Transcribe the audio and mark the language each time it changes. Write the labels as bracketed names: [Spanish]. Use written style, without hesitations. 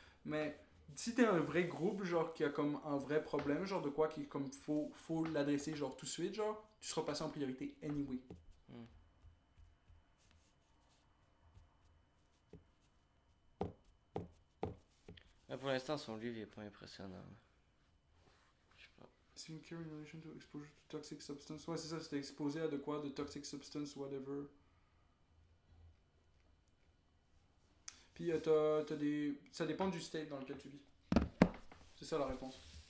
[French] Mais si t'es un vrai groupe, genre qui a comme un vrai problème, genre de quoi qui comme faut l'adresser genre tout de suite, genre tu seras passé en priorité anyway. Là, pour l'instant son livre est pas impressionnant. [English] In relation to exposure to toxic substance. [French] Ouais, c'est ça, c'était exposé à de quoi, de [English] toxic substance, whatever. [French] Puis t'as des. Ça dépend du state dans lequel tu vis. C'est ça la réponse.